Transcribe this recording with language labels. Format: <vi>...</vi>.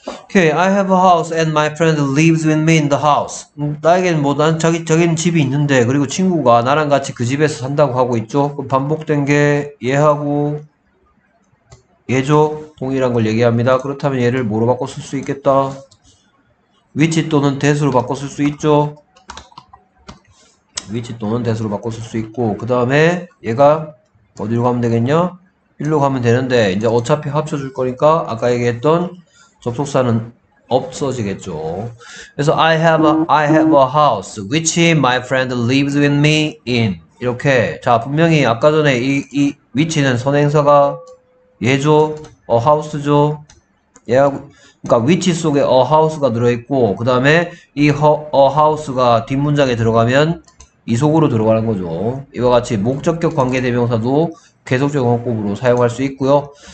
<en>오케이, okay, I have a house and my friend lives with me in the house.</en> <ko>나에겐 뭐, 난 저긴 집이 있는데, 그리고 친구가 나랑 같이 그 집에서 산다고 하고 있죠. 그럼 반복된 게 얘하고 얘죠. 동일한 걸 얘기합니다. 그렇다면 얘를 뭐로 바꿔 쓸수 있겠다. which 또는 that으로 바꿔 쓸수 있죠. which 또는 that으로 바꿔 쓸수 있고, 그 다음에 얘가 어디로 가면 되겠냐? 일로 가면 되는데, 이제 어차피 합쳐줄 거니까 아까 얘기했던 접속사는 없어지겠죠. 그래서</ko> <en>I have a house which my friend lives with me in.</en> <ko>이렇게. 자, 분명히 아까 전에 이 위치는 선행사가 얘죠. a house죠. 얘하고, 그러니까 위치 속에 a house가 들어있고, 그 다음에 이 a house가 뒷문장에 들어가면 이 속으로 들어가는 거죠. 이와 같이 목적격 관계대명사도 계속적 용법으로 사용할 수 있고요.</ko>